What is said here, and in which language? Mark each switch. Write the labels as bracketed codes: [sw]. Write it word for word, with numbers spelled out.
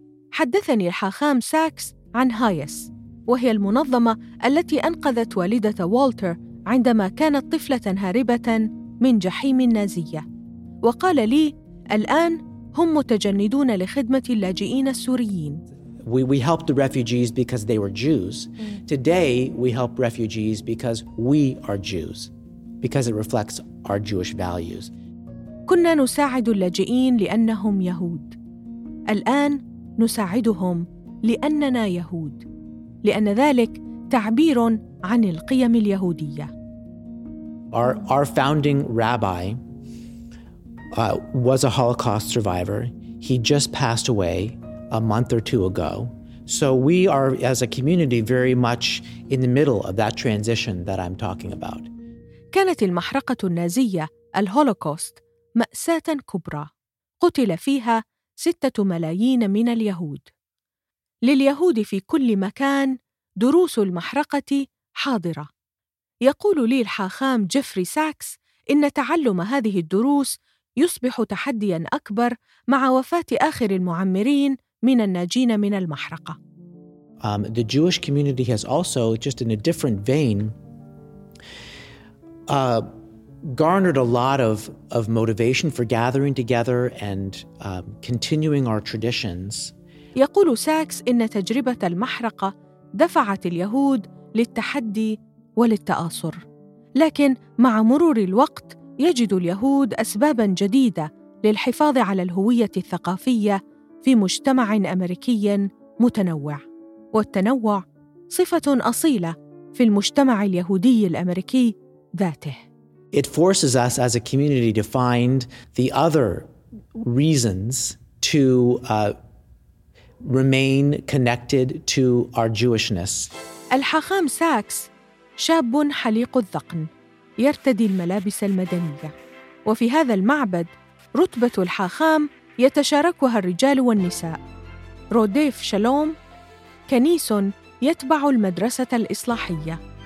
[ar] حدثني الحاخام ساكس عن هايس، وهي المنظمة التي أنقذت والدة والتر عندما كانت طفلة هاربة من جحيم النازية، وقال لي الآن هم متجندون لخدمة اللاجئين السوريين. [en] We, we helped the refugees because they were Jews. Today we help refugees because we are Jews, because it reflects our Jewish values. [ar] كنا نساعد اللاجئين لأنهم يهود. الآن نساعدهم لأننا يهود، لأن ذلك تعبير عن القيم اليهودية. [en] Our, our founding rabbi uh, was a Holocaust survivor. He just passed away a month or two ago. So we are, as a community, very much in the middle of that transition that I'm talking about. [ar] كانت المحرقة النازية الهولوكوست مأساة كبرى، قتل فيها ستة ملايين من اليهود. لليهود في كل مكان دروس المحرقة حاضرة. يقول لي الحاخام جيفري ساكس إن تعلم هذه الدروس يصبح تحدياً أكبر مع وفاة آخر المعمرين من الناجين من المحرقة. [en] Um, the Jewish community has also, just in a different vein, uh, garnered a lot of, of motivation for gathering together and um, continuing our traditions [ar] يقول ساكس إن تجربة المحرقة دفعت اليهود للتحدي وللتآصر، لكن مع مرور الوقت يجد اليهود أسباباً جديدة للحفاظ على الهوية الثقافية في مجتمع أمريكي متنوع. والتنوع صفة أصيلة في المجتمع اليهودي الأمريكي ذاته. [en] It forces us as a community to find the other reasons to uh, remain connected to our Jewishness. [ar] الحاخام ساكس شاب حليق الذقن يرتدي الملابس المدنية، وفي هذا المعبد رتبة الحاخام يتشاركها الرجال والنساء. روديف شالوم كنيس يتبع المدرسة الإصلاحية.